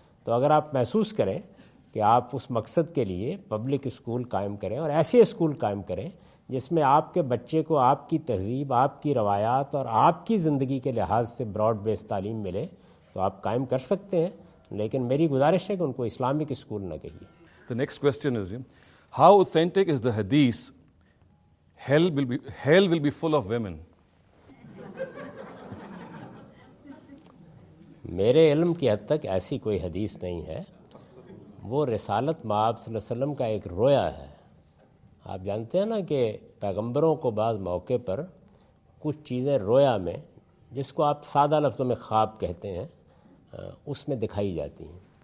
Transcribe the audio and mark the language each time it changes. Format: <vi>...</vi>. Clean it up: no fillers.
<ur>تو اگر آپ محسوس کریں کہ آپ اس مقصد کے لیے پبلک اسکول قائم کریں, اور ایسے اسکول قائم کریں جس میں آپ کے بچے کو آپ کی تہذیب, آپ کی روایات اور آپ کی زندگی کے لحاظ سے براڈ بیس تعلیم ملے, تو آپ قائم کر سکتے ہیں. لیکن میری گزارش ہے کہ ان کو اسلامک اسکول نہ کہیے.</ur> <en>The next question is, how authentic is the hadith, hell will be full of women?</en> <ur>میرے علم کی حد تک ایسی کوئی حدیث نہیں ہے. وہ رسالت مآب صلی اللہ علیہ وسلم کا ایک رویا ہے. آپ جانتے ہیں نا کہ پیغمبروں کو بعض موقع پر کچھ چیزیں رویا میں, جس کو آپ سادہ لفظوں میں خواب کہتے ہیں, اس میں دکھائی جاتی ہیں.</ur>